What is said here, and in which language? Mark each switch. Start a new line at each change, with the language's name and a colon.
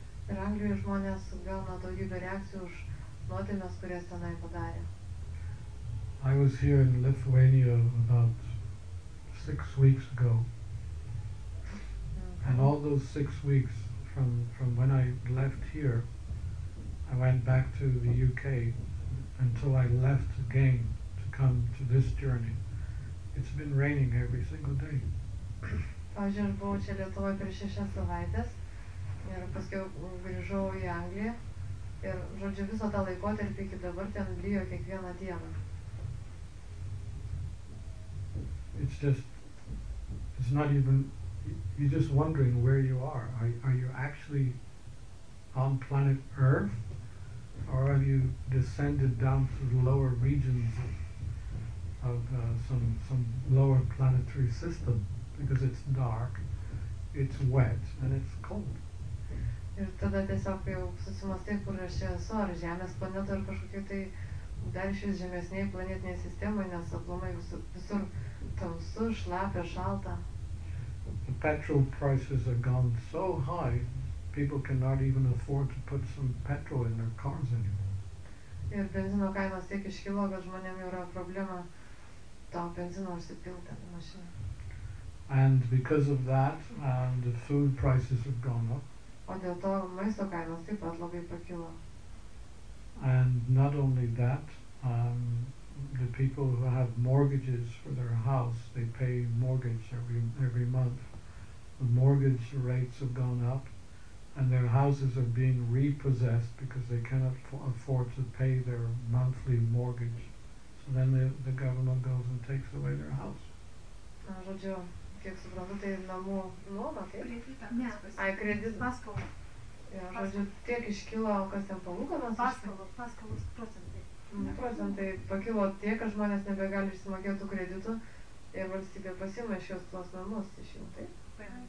Lithuanian: Ir Anglijoje žmonės gauna daugybę reakcijų už nuodėmes, kurias tenai padarė.
English: I was here in Lithuania about 6 weeks ago. And all those 6 weeks from when I left here, I went back to the UK until I left again to come to this journey. It's been raining every single day.
Lithuanian: Pavyzdžiui, aš buvau čia Lietuvoje prieš 6 savaites ir paskui grįžau į Angliją ir, žodžiu, viso tą laikotarpį iki dabar ten lyjo kiekvieną dieną.
English: It's just, it's not even, you're just wondering where you are. Are you actually on planet Earth or have you descended down to the lower regions of some lower planetary system? Because it's dark, it's wet, and it's cold.
Lithuanian: Ir tada tiesiog jau susimastai, kur aš čia esu, ar žemės planetoje, ar kažkokiai tai dar šis žemesniai planetiniai sistemai, nes aplumai visur tamsu, šlapia, šalta.
English: The petrol prices have gone so high, people cannot even afford to put some petrol in their cars anymore.
Lithuanian: Ir benzino kainos tiek iškilo, kad žmonėm yra problema to benzino užsipilti mašiną.
English: And because of that, the food prices have gone up.
Lithuanian: O dėl to maisto kainos taip pat labai pakilo.
English: And not only that, the people who have mortgages for their house, they pay mortgage every month. The mortgage rates have gone up, and their houses are being repossessed because they cannot afford to pay their monthly mortgage. So then the government goes and takes away their house.
Lithuanian: Žodžiu. Kiek suprantu, tai namų nuoma, kaip? Kredita. Ne, paskolą. Žodžiu, tiek iškilo, kas ten palūkanas? Paskolos procentai. Procentai pakilo tiek, kad žmonės nebegali išsimokėti kreditų ir valstybė pasima iš jos tuos namus iš jų, taip?